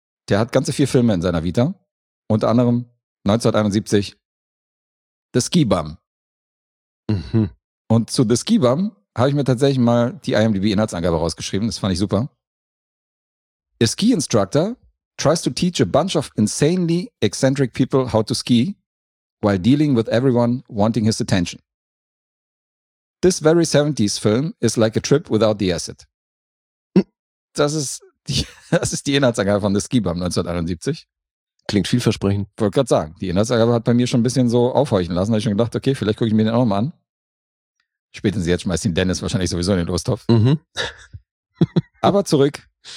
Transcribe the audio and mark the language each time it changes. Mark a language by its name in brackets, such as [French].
[German] Der hat ganze 4 Filme in seiner Vita. Unter anderem 1971 The Ski Bum. Mhm. Und zu The Ski Bum habe ich mir tatsächlich mal die IMDb-Inhaltsangabe rausgeschrieben. Das fand ich super. [English] A Ski Instructor tries to teach a bunch of insanely eccentric people how to ski while dealing with everyone wanting his attention. This very 70s film is like a trip without the acid. [German] Das ist die Inhaltsangabe von The Ski Bum 1971. Klingt vielversprechend. Wollte gerade sagen, die Inhaltsangabe hat bei mir schon ein bisschen so aufhorchen lassen. Da habe ich schon gedacht, okay, vielleicht gucke ich mir den auch mal an. Spätestens jetzt schmeißt ihn Dennis wahrscheinlich sowieso in den Lostopf. Mhm. Aber zurück.